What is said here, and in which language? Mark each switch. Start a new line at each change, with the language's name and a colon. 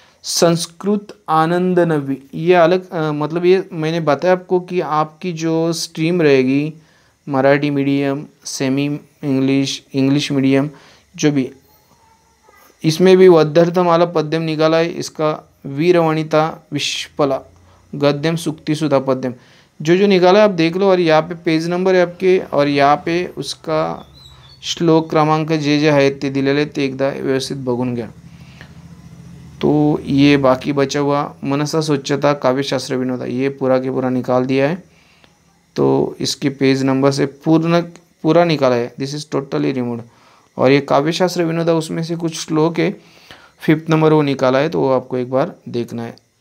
Hindi: संस्कृत आनंद नवी, ये अलग मतलब ये मैंने बताया आपको कि आपकी जो स्ट्रीम रहेगी Marathi medium, semi English, English medium जो भी, इसमें भी वद्यर्थम वाला पद्यम निकाला है, इसका वीरवणिता विश्वला गद्यम सुक्ति सुधा पद्यम, जो जो निकाला है आप देख लो, और यहाँ पे पेज नंबर है आपके और यहाँ पे उसका
Marathi: श्लोक क्रमांक जे जे आहेत ते दिलेले आहेत ते एकदा व्यवस्थित बघून घ्या.
Hindi: तो ये बाकी बचा हुआ मनसा स्वच्छता काव्यशास्त्र विनोदा ये पूरा के पूरा निकाल दिया है. तो इसके पेज नंबर से पूर्ण पूरा निकाला है,
English: This is totally removed.
Hindi: और ये काव्यशास्त्र विनोदा उसमें से कुछ श्लोक है फिफ्थ नंबर वो निकाला है, तो वो आपको एक बार देखना है.